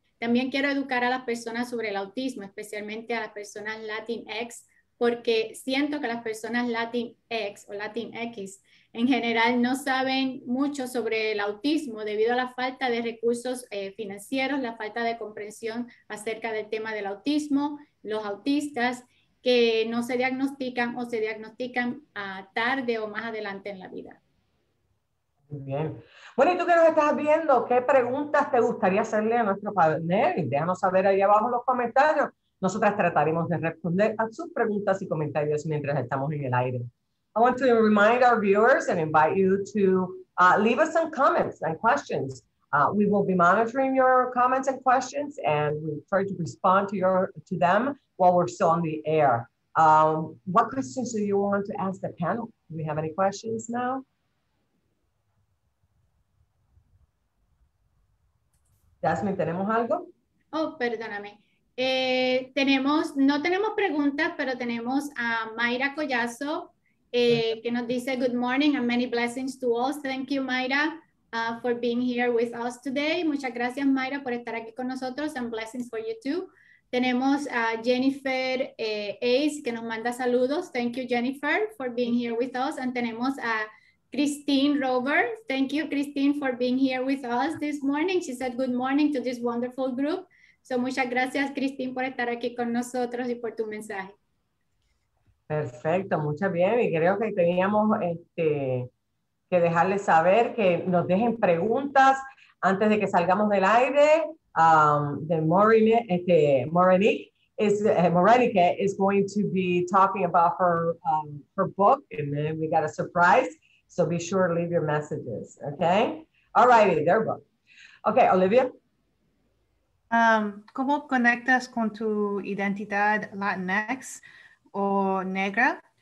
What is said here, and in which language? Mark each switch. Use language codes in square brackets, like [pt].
[es] También quiero educar a las personas sobre el autismo, especialmente a las personas Latinx, porque siento que las personas Latinx o Latinx en general no saben mucho sobre el autismo debido a la falta de recursos financieros, la falta de comprensión acerca del tema del autismo, los autistas que no se diagnostican o se diagnostican tarde o más adelante en la vida. Bien. Bueno, y tú que nos estás viendo, ¿qué preguntas te gustaría hacerle a nuestro panel? Déjanos saber ahí abajo en los comentarios. Nosotras trataremos de responder a sus preguntas y comentarios mientras estamos en el aire. [en] I want to remind our viewers and invite you to leave us some comments and questions. We will be monitoring your comments and questions, and we try to respond to them while we're still on the air. What questions do you want to ask the panel? Do we have any questions now? [es] Jasmine, ¿tenemos algo? Oh, perdóname. No tenemos preguntas, pero tenemos a Mayra Collazo, que nos dice, [en] good morning and many blessings to all. Thank you, Mayra, for being here with us today. [es] Muchas gracias, Mayra, por estar aquí con nosotros [en] and blessings for you too. [es] Tenemos a Jennifer Ace, que nos manda saludos. [en] Thank you, Jennifer, for being here with us. And [es] tenemos a [en] Christine Rover. Thank you, Christine, for being here with us this morning. She said good morning to this wonderful group. [es] So muchas gracias, Christine, por estar aquí con nosotros y por tu mensaje. Perfecto, muchas bien. Y creo que teníamos que dejarles saber que nos dejen preguntas antes de que salgamos del aire. [en] The Morenike is going to be talking about her her book, and then we got a surprise. So be sure to leave your messages, okay? All righty, there we go. Okay, Olivia. [es] ¿Cómo conectas con tu identidad Latinx o negra?